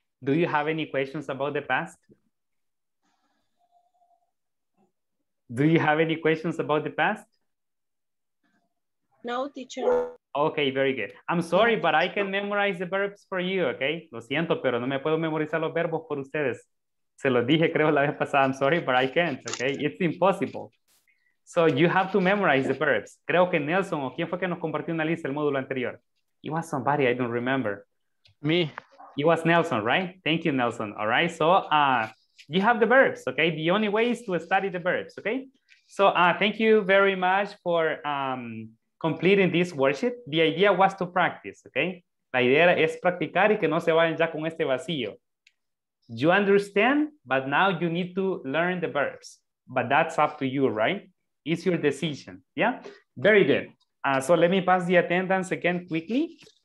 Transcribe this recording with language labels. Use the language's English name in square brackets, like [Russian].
[English] Do you have any questions about the past? Do you have any questions about the past? No, teacher. Okay, very good. I'm sorry, but I can memorize the verbs for you, okay? [Spanish] Lo siento, pero no me puedo memorizar los verbos por ustedes. Se los dije, creo, la vez pasada. [English] I'm sorry, but I can't, okay? It's impossible. So you have to memorize the verbs. [Spanish] Creo que Nelson, o quién fue que nos compartió una lista el módulo anterior? [English] It was somebody, I don't remember. Me. It was Nelson, right? Thank you, Nelson. All right. So you have the verbs, okay? The only way is to study the verbs, okay? So thank you very much for completing this worksheet. The idea was to practice, okay? [Spanish] La idea es practicar y que no se vayan ya con este vacío. [English] You understand, but now you need to learn the verbs. But that's up to you, right? It's your decision, yeah? Very good. So let me pass the attendance again quickly.